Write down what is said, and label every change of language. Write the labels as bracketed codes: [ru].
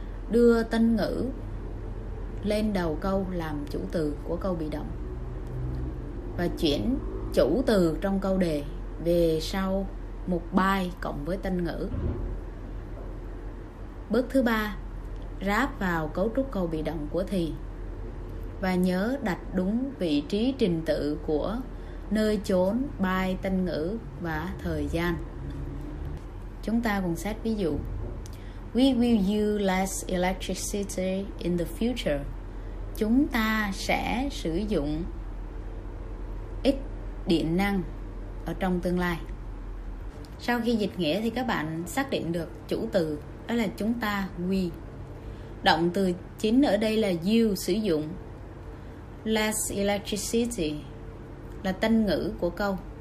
[vi] Đưa tân ngữ lên đầu câu làm chủ từ của câu bị động, và chuyển chủ từ trong câu đề về sau mục bài cộng với tân ngữ. Bước thứ 3, ráp vào cấu trúc câu bị động của thì, và nhớ đặt đúng vị trí trình tự của nơi chốn, bài, tân ngữ và thời gian. Chúng ta cùng xét ví dụ. [en] We will use less electricity in the future. [vi] Chúng ta sẽ sử dụng ít điện năng ở trong tương lai. Sau khi dịch nghĩa thì các bạn xác định được chủ từ, đó là chúng ta, we. Động từ chính ở đây là you, sử dụng. Less electricity là tân ngữ của câu.